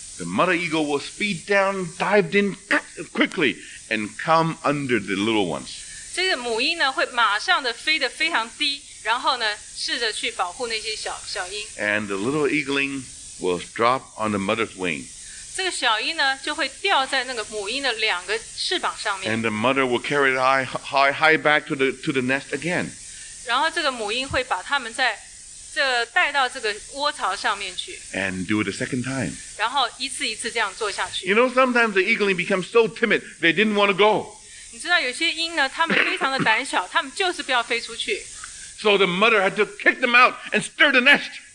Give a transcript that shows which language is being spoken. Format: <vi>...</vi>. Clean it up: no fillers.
<en>The mother eagle will speed down, dived in quickly, and come under the little ones.</en> <zh>这个母鹰呢，会马上的飞得非常低，然后呢，试着去保护那些小鹰。</zh> <en>And the little eagling will drop on the mother's wing.</en> <zh>这个小鹰呢，就会掉在那个母鹰的两个翅膀上面。</zh> <en>And the mother will carry it high back to the nest again.</en> <zh>然后这个母鹰会把它们带到这个窝巢上面去。</zh> <en>And do it a second time.</en> <zh>然后一次一次这样做下去。</zh> <en>You know, sometimes the eagling becomes so timid, they didn't want to go.</en> <zh>你知道有些鹰呢，它们非常的胆小，它们就是不要飞出去。</zh> <en>So the mother had to kick them out and stir the nest.</en>